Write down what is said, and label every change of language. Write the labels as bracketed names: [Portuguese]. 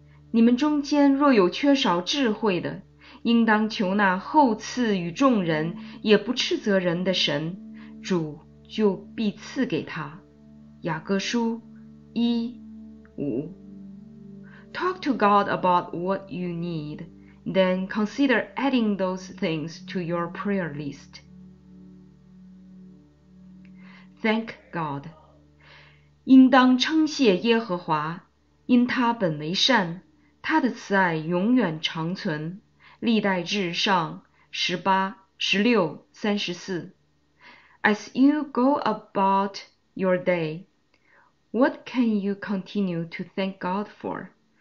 [Chinese] 你们中间若有缺少智慧的，应当求那厚赐与众人也不斥责人的神，主就必赐给他。雅各书一五。 [English] Talk to God about what you need, then consider adding those things to your prayer list. Thank God. [Chinese] 应当称谢耶和华，因他本为善，他的慈爱永远长存。历代至上十八十六三十四。 [English] As you go about your day, what can you continue to thank God for?